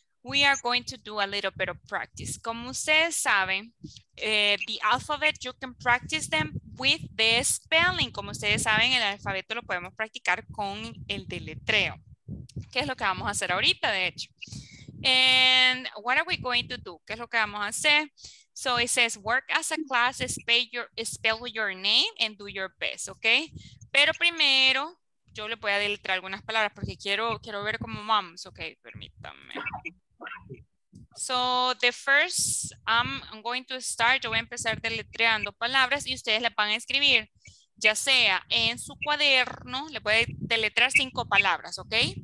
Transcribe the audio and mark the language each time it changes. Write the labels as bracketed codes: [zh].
[en] We are going to do a little bit of practice. [es] Como ustedes saben, [en] the alphabet, you can practice them with the spelling. [es] Como ustedes saben, el alfabeto lo podemos practicar con el deletreo. ¿Qué es lo que vamos a hacer ahorita, de hecho? [en] And what are we going to do? [es] ¿Qué es lo que vamos a hacer? [en] So it says, work as a class, spell your name and do your best, ¿ok? [es] Pero primero, yo le voy a deletrear algunas palabras porque quiero ver cómo vamos, ¿ok? Permítanme. [en] So the first, I'm going to start, [es] yo voy a empezar deletreando palabras y ustedes las van a escribir. Ya sea en su cuaderno, le puede deletrear 5 palabras, ¿ok?